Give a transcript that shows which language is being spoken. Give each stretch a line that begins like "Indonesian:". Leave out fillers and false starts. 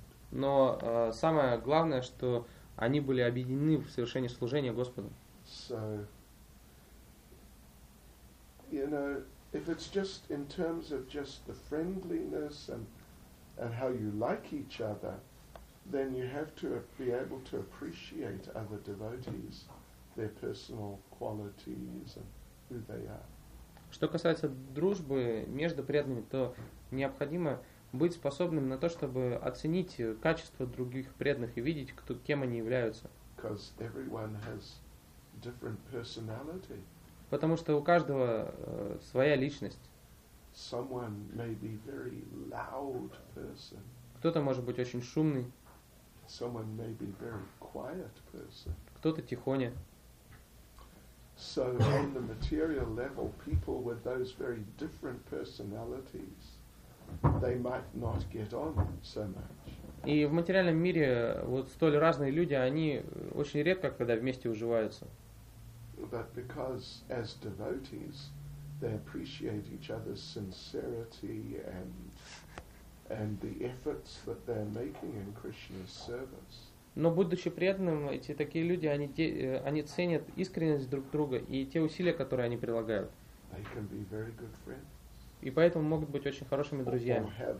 Russian: Но самое главное, что они были объединены в совершении служения Господу.
English: So, you know, if it's just in terms of just the friendliness and how you like each other, then you have to be able to appreciate other devotees, their personal qualities and who they are.
Russian: Что касается дружбы между преданными, то необходимо быть способным на то, чтобы оценить качество других преданных и видеть, кто, кем они являются.
English: Because everyone has different personality.
Russian: Потому что у каждого своя личность.
English: Someone may be very loud person.
Russian: Кто-то может быть очень шумный.
English: Someone may be very quiet person.
Russian: Кто-то тихоня.
English: So on the material level, people with those very different personalities, they might not get on so much.
Russian: И в материальном мире вот столь разные люди, они очень редко когда вместе уживаются.
English: But because as devotees, they appreciate each other's sincerity and the efforts that they're making in Krishna's service.
Russian: Но будучи преданным, эти такие люди, они ценят искренность друг друга и те усилия, которые они прилагают.
English: They can be very good friends.
Russian: И поэтому могут быть очень хорошими друзьями.